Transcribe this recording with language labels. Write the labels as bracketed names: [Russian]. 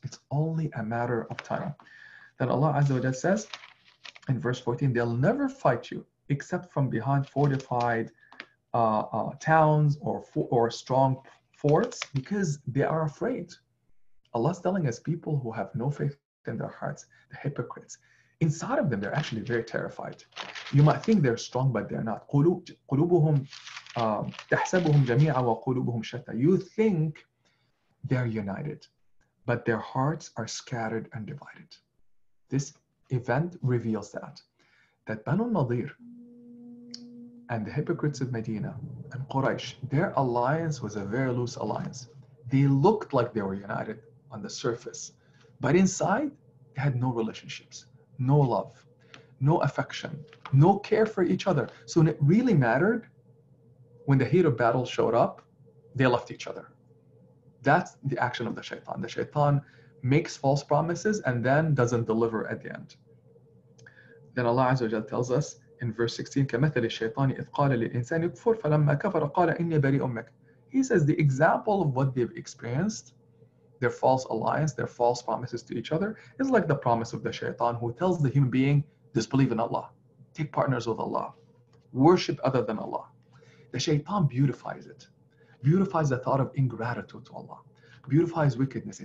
[English] It's only a matter of time. Then Allah Azza wa Jalla says in verse 14, they'll never fight you except from behind fortified towns or strong forts, because they are afraid. Allah's telling us people who have no faith in their hearts, the hypocrites, inside of them, they're actually very terrified. You might think they're strong, but they're not. [Arabic] قلوبهم تحسبهم جميعا وقلوبهم شتى. [English] You think they're united, but their hearts are scattered and divided. This event reveals that Banu Nadir and the hypocrites of Medina and Quraysh, their alliance was a very loose alliance. They looked like they were united on the surface, but inside, they had no relationships, no love, no affection, no care for each other. So when it really mattered, when the heat of battle showed up, they left each other. That's the action of the shaitan. The shaitan makes false promises and then doesn't deliver at the end. [Arabic] Then Allah Azza wa Jalla tells us in verse 16, كَمَثَلِ الشَّيْطَانِ إِذْ قَالَ لِلْإِنسَانِ يُكْفُرْ فَلَمَّا كَفَرَ قَالَ إِنِّي بَرِيءٌ مِنْكَ. [English] He says the example of what they've experienced, their false alliance, their false promises to each other, is like the promise of the shaitan, who tells the human being, disbelieve in Allah, take partners with Allah, worship other than Allah. The shaitan beautifies it, beautifies the thought of ingratitude to Allah, beautifies wickedness.